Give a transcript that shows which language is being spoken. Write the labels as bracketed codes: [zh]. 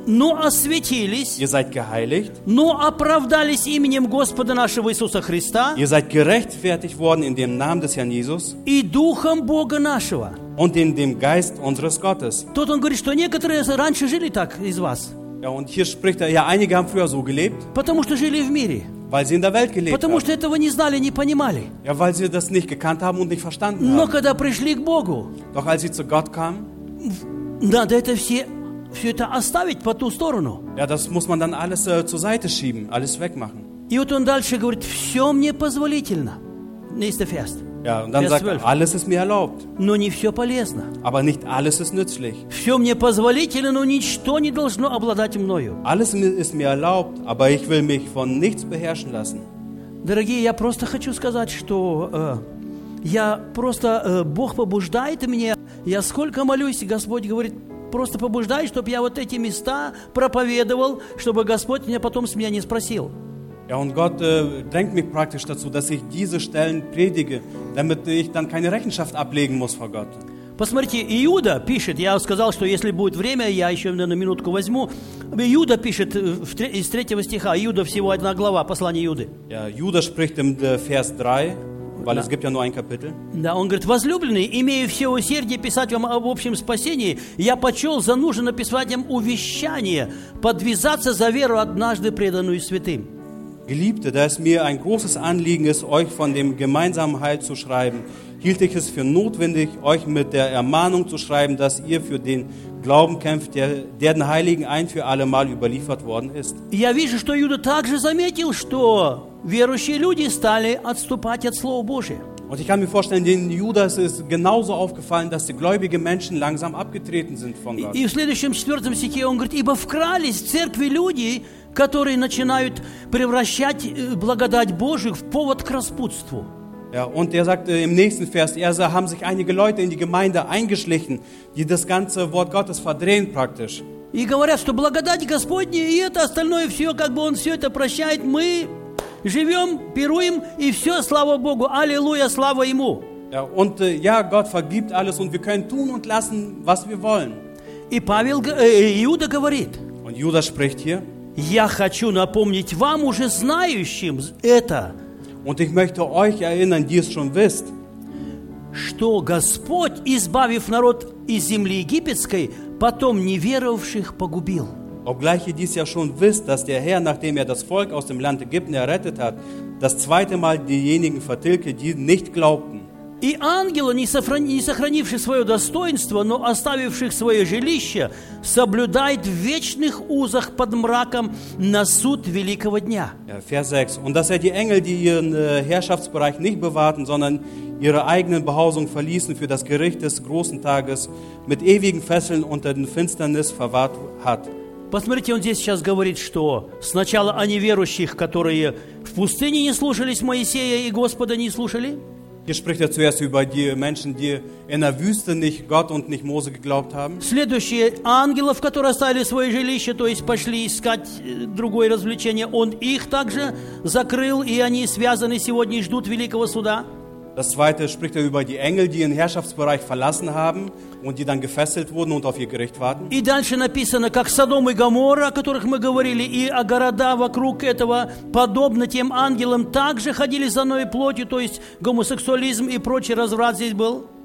[ru] Но осветились. [de] Ihr seid geheiligt. [ru] Но оправдались именем Господа нашего Иисуса Христа. [de] Ihr seid gerechtfertigt worden in dem Namen des Herrn Jesus. [ru] И духом Бога нашего. [de] Und in dem Geist unseres Gottes. [ru] Тут он говорит, что некоторые раньше жили так из вас. [de] Ja, und hier spricht er, ja, einige haben früher so gelebt. [ru] Потому что жили в мире. [de] Weil sie in der Welt gelebt [ru] Потому [de] haben. [ru] Что этого не знали, не понимали. [de] Ja, weil sie das nicht gekannt haben und nicht verstanden [ru] Но [de] haben. [ru] Когда пришли к Богу. [de] Doch als sie zu Gott kamen. [ru] Надо это все это оставить по ту сторону. [de] Ja, das muss man dann alles zur Seite schieben, alles wegmachen. [ru] И вот он дальше говорит, все мне позволительно. [de] Nächster Vers. Ja, und dann sagt, alles ist mir erlaubt. [ru] Но не все полезно. [de] Aber nicht alles ist nützlich. [ru] Все мне позволительно, но ничто не должно обладать мною. [de] Alles ist mir erlaubt, aber ich will mich von nichts beherrschen lassen. [ru] Дорогие, я просто хочу сказать, что я просто Бог побуждает меня. Я сколько молюсь, Господь говорит, просто побуждай, чтобы я вот эти места проповедовал, чтобы Господь меня потом с меня не спросил. [de] Ja, und Gott drängt mich praktisch dazu, dass ich diese Stellen predige, damit ich dann keine Rechenschaft ablegen muss vor Gott. [ru] Посмотрите, Иуда пишет, я сказал, что если будет время, я еще на минутку возьму. Иуда пишет из третьего стиха, Иуда всего одна глава, послание Иуды. [de] Ja, Иуда spricht im Vers 3. Weil es gibt ja nur ein Kapitel. [ru] Да, он говорит, возлюбленный, имею все усердие писать вам об общем спасении, я почел за нужное написать вам увещание, подвязаться за веру однажды преданную святым. [de] Geliebte, da es mir ein großes Anliegen ist, euch von dem gemeinsamen Heil zu schreiben, hielt ich es für notwendig, euch mit der Ermahnung zu schreiben, dass ihr für den Glauben kämpft, der den Heiligen ein für alle Mal überliefert worden ist. [ru] Я вижу, что Иуда также заметил, что верующие люди стали отступать от Слова Божия. [de] Und ich kann mir vorstellen, den Judas ist genauso aufgefallen, dass die gläubigen Menschen langsam abgetreten sind von Gott. [ru] И в следующем четвертом стихе он говорит, ибо вкрались в церкви люди, которые начинают превращать благодать Божию в повод к распутству. [de] Ja, und er sagt im nächsten Vers, haben sich einige Leute in die Gemeinde eingeschlichen, die das ganze Wort Gottes verdrehen praktisch. [ru] И говорят, что благодать Господня и это остальное все, как бы он все это прощает, мы живем, пируем и все, слава Богу, аллилуйя, слава Ему. [de] Ja, und Gott vergibt alles und wir können tun und lassen, was wir wollen. [ru] И Павел, Иуда говорит. [de] Und Judas spricht hier. [ru] Я хочу напомнить вам, уже знающим это. [de] Und ich möchte euch erinnern, die es schon wisst. [ru] Что Господь, избавив народ из земли египетской, потом неверовавших погубил. [de] Obgleich ihr dies ja schon wisst, dass der Herr, nachdem er das Volk aus dem Land Ägypten errettet hat, das zweite Mal diejenigen vertilgte, die nicht glaubten. [ru] И ангелы, не сохранившие свое достоинство, но оставивших свое жилище, соблюдают в вечных узах под мраком на суд великого дня. [de] Vers 6. Und dass die Engel, die ihren Herrschaftsbereich nicht bewahrten, sondern ihre eigenen Behausung verließen für das Gericht des großen Tages, mit ewigen Fesseln unter den Finsternis verwahrt hat. [ru] Посмотрите, он здесь сейчас говорит, что сначала о неверующих, которые в пустыне не слушались Моисея и Господа не слушали. [de] Hier spricht er zuerst über die Menschen, die in der Wüste nicht Gott und nicht Mose geglaubt haben. [ru] Следующие ангелов, которые оставили свое жилище, то есть пошли искать другое развлечение, он их также закрыл, и они связаны сегодня и ждут великого суда. [de] Das zweite spricht er über die Engel, die ihren Herrschaftsbereich verlassen haben und die dann gefesselt wurden und auf ihr Gericht warten. [ru] И дальше написано, как Содом и Гоморра, о которых мы говорили, и о города вокруг этого, подобно тем ангелам, также ходили за новой плотью, то есть гомосексуализм и прочий разврат здесь был.